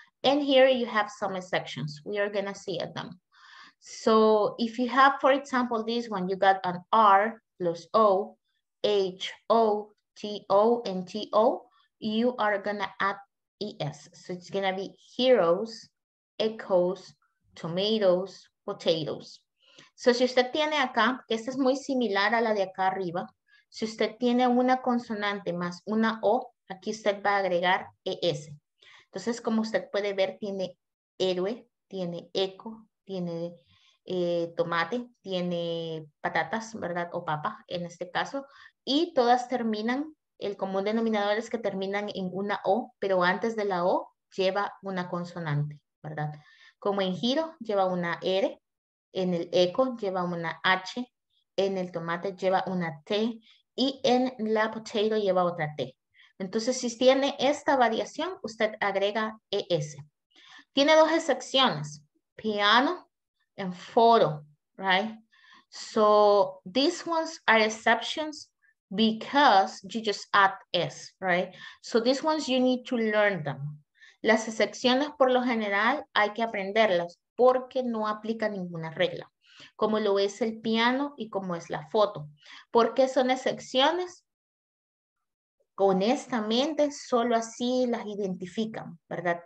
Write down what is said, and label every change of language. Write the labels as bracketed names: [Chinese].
[English] And here you have some exceptions. We are going to see them. So if you have, for example, this one, you got an R plus O, H, O, T, O, and T, O, you are going to add ES. So it's going to be heroes, echoes, tomatoes, potatoes. [Spanish] So, si usted tiene acá, que esta es muy similar a la de acá arriba, si usted tiene una consonante más una O, aquí usted va a agregar ES. Entonces, como usted puede ver, tiene héroe, tiene eco, tiene tomate, tiene patatas, ¿verdad? O papa, en este caso. Y todas terminan, el común denominador es que terminan en una O, pero antes de la O lleva una consonante, ¿verdad? Como en giro, lleva una R. En el eco lleva una H, en el tomate lleva una T y en la potato lleva otra T. Entonces, si tiene esta variación, usted agrega ES. Tiene dos excepciones, [English] piano and photo, right? So, these ones are exceptions because you just add S, right? So, these ones you need to learn them. [Spanish] Las excepciones, por lo general, hay que aprenderlas. Porque no aplica ninguna regla, como lo es el piano y como es la foto. ¿Por qué son excepciones? Honestamente, solo así las identifican, ¿verdad?